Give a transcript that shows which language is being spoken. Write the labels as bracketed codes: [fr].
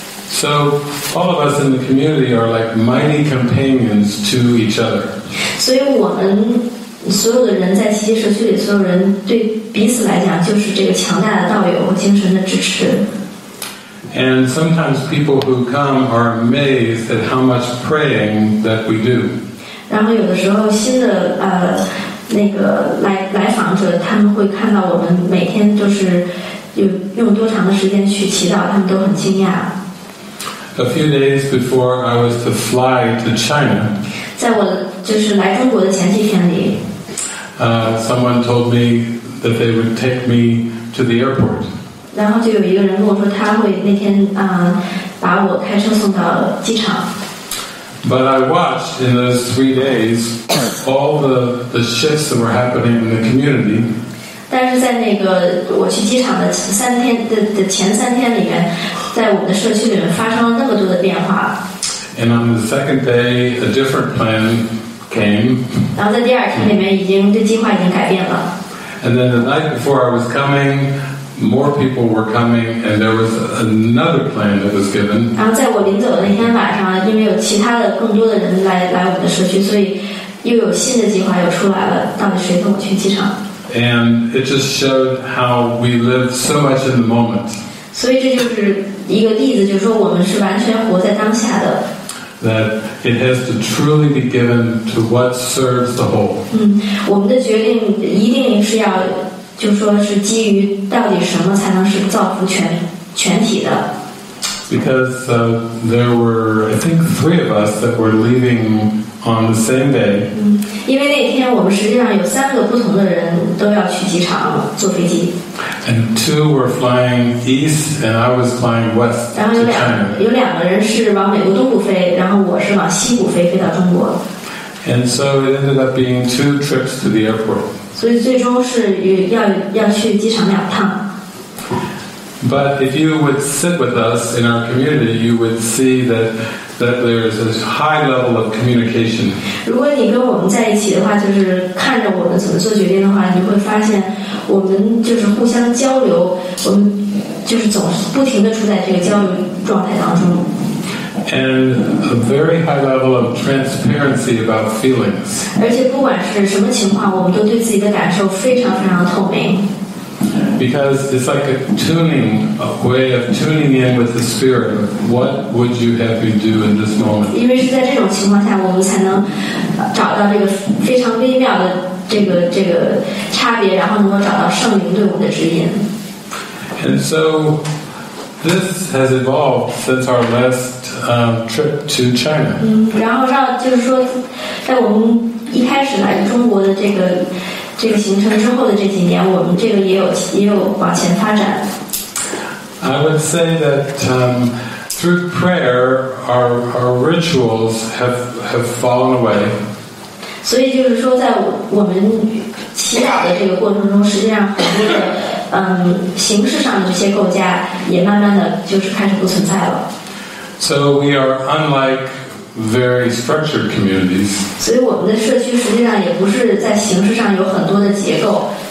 [en] So all of us in the community are like mighty companions to each other. [zh] 所以我们所有的人在奇迹社区里，所有人对彼此来讲，就是这个强大的道友和精神的支持。 [en] And sometimes people who come are amazed at how much praying that we do. [zh] 然后有的时候新的那个来访者，他们会看到我们每天都是用多长的时间去祈祷，他们都很惊讶。 [en] A few days before I was to fly to China. [zh] 在我就是来中国的前几天里。 [en] Someone told me that they would take me to the airport. [zh] 然后就有一个人跟我说，他会那天把我开车送到机场。 [en] But I watched in those 3 days all the shifts that were happening in the community. [zh] 但是在那个我去机场的前三天里面，在我们的社区里面发生了那么多的变化。 [en] And on the second day, a different plan came. [zh] 然后在第二天里面，已经这计划已经改变了。 [en] And then the night before I was coming. more people were coming, and there was another plan that was given. [zh] 然后在我临走的那天晚上，因为有其他的更多的人来我们的社区，所以又有新的计划又出来了。到底谁送我去机场？ [en] And it just showed how we live so much in the moment. [zh] 所以这就是一个例子，就是说我们是完全活在当下的。 [en] That it has to truly be given to what serves the whole. [zh] 我们的决定一定是要。就说是基于到底什么才能是造福全体的 [en] Because there were, I think, three of us that were leaving on the same day. [zh] 因为那天我们实际上有三个不同的人都要去机场坐飞机。 [en] And two were flying east, and I was flying west to China. [zh] 然后有两个人是往美国东部飞，然后我是往西部飞到中国。 [en] And so it ended up being two trips to the airport. [zh] 所以最终是要去机场两趟。 [en] But if you would sit with us in our community, you would see that there is this high level of communication. [zh] 如果你跟我们在一起的话，就是看着我们怎么做决定的话，你会发现我们就是互相交流，我们就是总是不停地处在这个交流状态当中。 [en] And a very high level of transparency about feelings. [zh] 而且不管是什么情况，我们都对自己的感受非常非常的透明。 [en] Because it's like a tuning, a way of tuning in with the spirit. What would you have me do in this moment? [zh] 因为是在这种情况下，我们才能找到这个非常微妙的这个差别，然后能够找到圣灵对我们的指引。 [en] And so. This has evolved since our last trip to China. [zh] 然后让就是说，在我们一开始来中国的这个行程之后的这几年，我们这个也有往前发展。 [en] I would say that through prayer, our rituals have fallen away. [zh] 所以就是说，在我们祈祷的这个过程中，实际上很多的。形式上的这些构架也慢慢的就是开始不存在了。 [en] So we are unlike very structured communities. [zh] 所以我们的社区实际上也不是在形式上有很多的结构。